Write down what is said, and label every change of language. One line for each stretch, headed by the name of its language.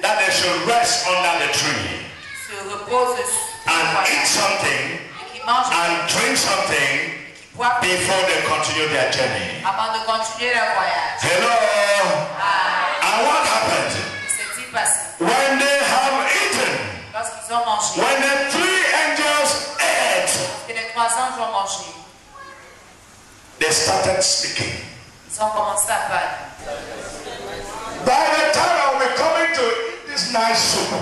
English: That they should rest under the tree.
French: Se repose
English: and eat place. Something.
French: Et qu'ils mangent
English: and drink something.
French: Et
English: before they continue their journey.
French: Avant de continuer leur voyage.
English: Hello. Ah. And what happened?
French: Qu'est-ce qui s'est passé?
English: When they have eaten.
French: Lorsqu'ils ont mangé.
English: When the three angels ate,
French: et les trois anges ont mangé.
English: They started speaking.
French: Ils ont commencé à parler.
English: By the time I'll be coming to this nice soup,